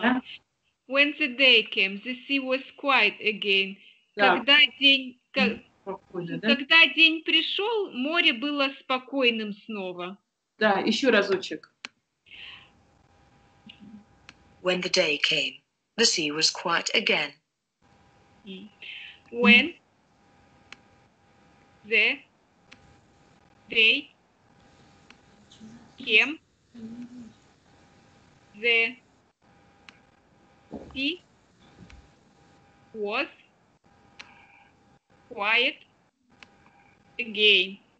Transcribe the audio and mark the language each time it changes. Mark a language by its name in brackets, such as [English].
[English] Yeah? When the day came, the sea was quiet again. Yeah. [Russian] Когда день пришел, море было спокойным снова. Да, еще разочек. [English] When the day came, the sea was quiet again. When the day came, the sea was quiet again.